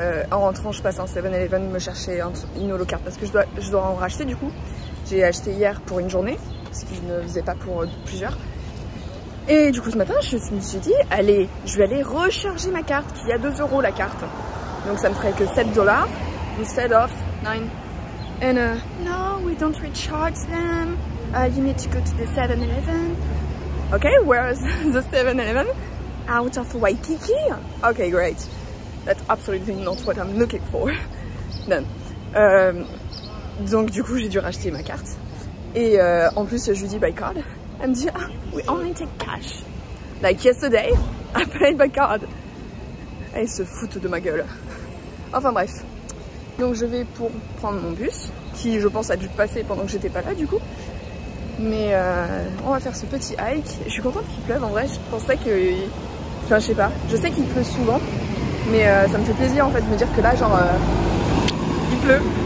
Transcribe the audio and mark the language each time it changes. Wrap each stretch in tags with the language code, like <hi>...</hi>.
<fr>En rentrant, je passe un 7-Eleven me chercher une holocarte parce que je dois en racheter du coup. J'ai acheté hier pour une journée, ce que je ne faisais pas pour plusieurs. Et du coup ce matin, je me suis dit, allez, je vais aller recharger ma carte qui a 2€ la carte. Donc ça me ferait que 7$,</fr> <en>instead of 9. And no, we don't recharge them. You need to go to the 7-Eleven. Ok, where is the 7-Eleven? Out of Waikiki. Ok, great. That's absolutely not what I'm looking for. Done.</en> <fr>Donc du coup, j'ai dû racheter ma carte. Et en plus, je lui dis</fr> <en>by card.</en> <fr>Elle me dit,</fr> <en>we only take cash. Like yesterday, I paid by card.</en> <fr>Elle se fout de ma gueule. Enfin bref, donc je vais pour prendre mon bus, qui je pense a dû passer pendant que j'étais pas là du coup. Mais on va faire ce petit hike. Je suis contente qu'il pleuve en vrai, je pensais que... Enfin je sais pas, je sais qu'il pleut souvent, mais ça me fait plaisir en fait de me dire que là genre il pleut.</fr>